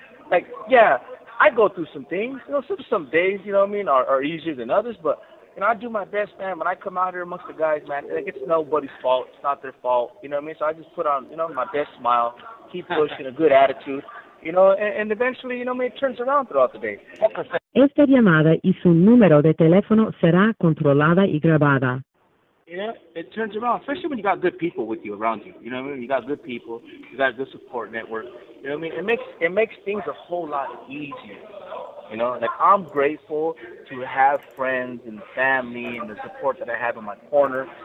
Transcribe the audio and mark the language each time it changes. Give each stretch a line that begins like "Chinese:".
English: Like, yeah, I go through some things. You know, some days, you know what I mean, are easier than others. But, you know, I do my best, man. When I come out here amongst the guys, man, like, it's nobody's fault. It's not their fault. You know what I mean? So I just put on, you know, my best smile, keep pushing, a good attitude. You know, and eventually, you know, it turns around throughout the day.
Spanish: Esta llamada y su número de teléfono será controlada y grabada.
English: Yeah, it turns around, especially when you got good people with you around you. You know what I mean? You got good people. You got a good support network. You know what I mean? It makes things a whole lot easier. You know, like, I'm grateful to have friends and family and the support that I have in my corner.